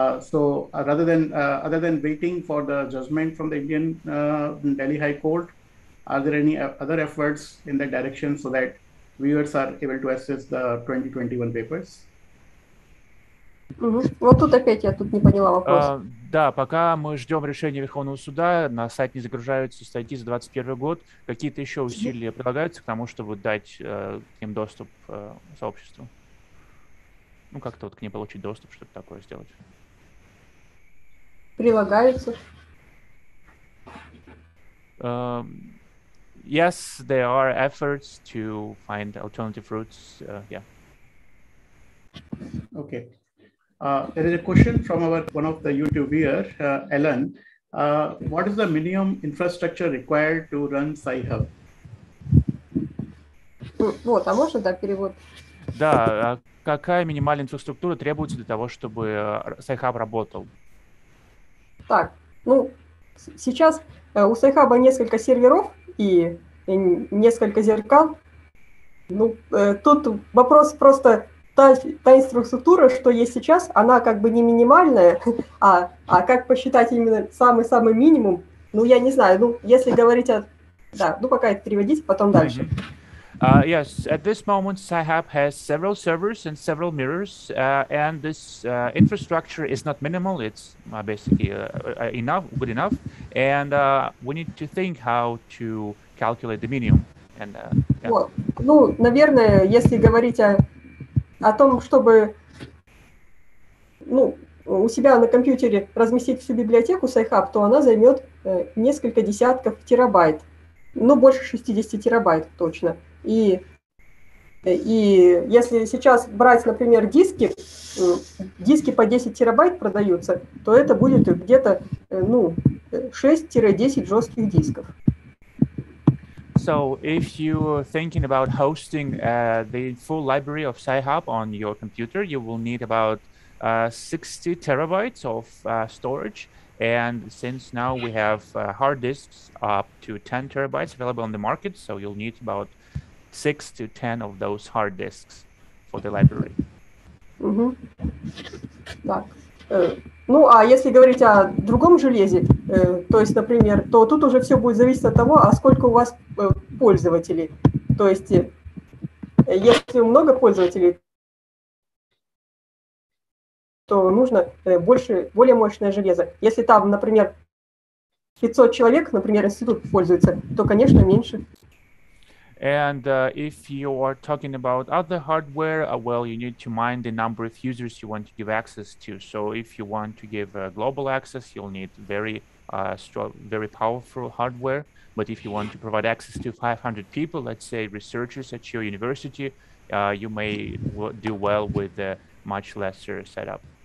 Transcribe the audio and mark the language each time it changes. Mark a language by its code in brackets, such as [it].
[en] So other than waiting for the judgment from the Indian Delhi High Court, are there any other efforts in that direction so that viewers are able to access the 2021 papers? [ru] Вот тут опять я тут не поняла вопрос. Да, пока мы ждем решения Верховного суда, на сайт не загружаются статьи за 2021 год. Какие-то еще усилия прилагаются к тому, чтобы дать им доступ сообществу? Ну, как-то вот к ним получить доступ, что-то такое сделать. Прилагаются. [en] Yes, there are efforts to find alternative routes. Okay. There is a question from one of the YouTube viewers, Ellen. What is the minimum infrastructure required to run Sci-Hub? [ru] Вот, а можно, да, перевод? Да, какая минимальная инфраструктура требуется для того, чтобы Sci-Hub работал? Так, ну, сейчас у Sci-Hub несколько серверов и несколько зеркал. Ну, тут вопрос просто... Та инфраструктура, что есть сейчас, она как бы не минимальная, а как посчитать именно самый-самый минимум, ну, я не знаю, ну, если говорить о Да, ну пока это переводить, потом mm-hmm. дальше. [en] Yes, at this moment, Sci-Hub has several servers and several mirrors, and this infrastructure is not minimal, it's basically enough, good enough, and we need to think how to calculate the minimum. And, yeah. Вот. [ru] Ну, наверное, если говорить о том, чтобы ну, у себя на компьютере разместить всю библиотеку Sci-Hub, то она займет несколько десятков терабайт, ну, больше 60 терабайт точно. И если сейчас брать, например, диски по 10 терабайт продаются, то это будет где-то, ну, 6-10 жестких дисков. [en] So, if you're thinking about hosting the full library of Sci-Hub on your computer, you will need about 60 terabytes of storage. And since now we have hard disks up to 10 terabytes available on the market, so you'll need about 6 to 10 of those hard disks for the library. [ru] Угу. Так. Ну, а если говорить о другом железе, то есть, например, то тут уже все будет зависеть от того, а сколько у вас пользователей. То есть, если много пользователей, то нужно больше, более мощное железо. Если там, например, 500 человек, например, институт пользуется, то, конечно, меньше. [en] And if you are talking about other hardware, well, you need to mind the number of users you want to give access to. So if you want to give global access, you'll need very strong, very powerful hardware. But if you want to provide access to 500 people, let's say researchers at your university, you may do well with a much lesser setup.